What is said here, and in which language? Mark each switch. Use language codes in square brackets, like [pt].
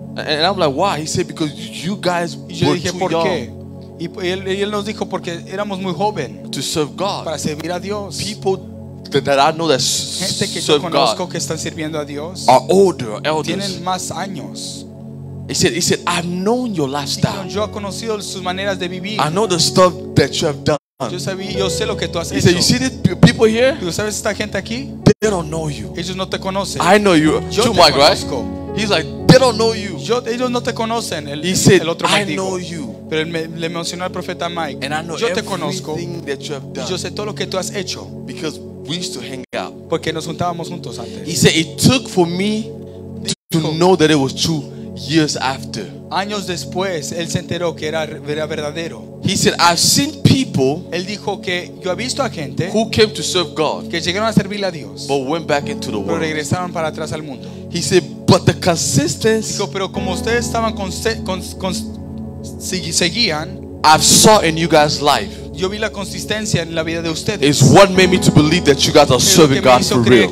[en] And I'm like, "Why?" He said, "Because you guys were too young." [es] Y yo dije, ¿por qué? Y él nos dijo porque éramos muy joven. [en] To serve God. [es] Para servir a Dios. [en] People that I know that [es] gente que yo conozco que están sirviendo a Dios [en] are older elders. [es] Tienen más años. [en] He said, "I've known your lifestyle. [es] Yo he conocido sus maneras de vivir. [en] I know the stuff that you have done. [es] Yo sé lo que tú has [en] he [es] hecho. [en] Said, "You see the people here? [es] ¿Tú sabes esta gente aquí? [en] They don't know you. [es] Ellos no te conocen. [en] I know you. [es] Yo [en] too, [es] te [en] Mike, [es] conozco. [en] Right? He's like, they don't know you. [es] Ellos no te conocen. [en] He said, [es] el otro [en] I Mike know [es] dijo. [en] You. [es] Pero le mencionó al profeta Mike. [en] And I know [es] yo [en] everything [es] te conozco. [en] That you have done. [es] Yo sé todo lo que tú has hecho. [en] Because we used to hang out. [es] Porque nos juntábamos juntos antes. [en] He said it took for me to know that it was true years after. [es] Años después, él se enteró que era verdadero. [en] He said, "I've seen people." [es] Él dijo que yo he visto a gente [en] who came to serve God, [es] que llegaron a servirle a Dios, [en] but went back into the world. [es] Pero regresaron para atrás al mundo. [en] He said, "But the consistency." [es] Dijo, pero como ustedes estaban seguían. [en] I've saw in you guys' life. [es] Yo vi la consistencia en la vida de ustedes. [en] It's what made me to believe that you guys are serving God for real.